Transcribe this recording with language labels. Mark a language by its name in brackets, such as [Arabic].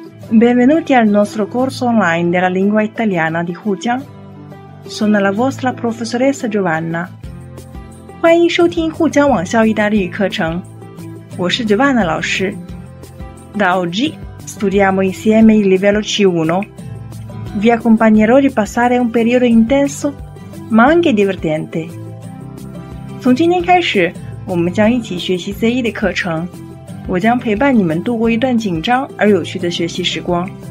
[Italian] Benvenuti al nostro corso online della lingua italiana di Hujiang. Sono la vostra professoressa Giovanna. [Chinese] 欢迎收听沪江网校意大利语课程。我是 Giovanna 老师。 [Italian] Da oggi studiamo insieme il livello C1. Vi accompagnerò di passare un periodo intenso, ma anche divertente. [Chinese] 从今天开始，我们将一起学习 C1 的课程。我将陪伴你们度过一段紧张而有趣的学习时光。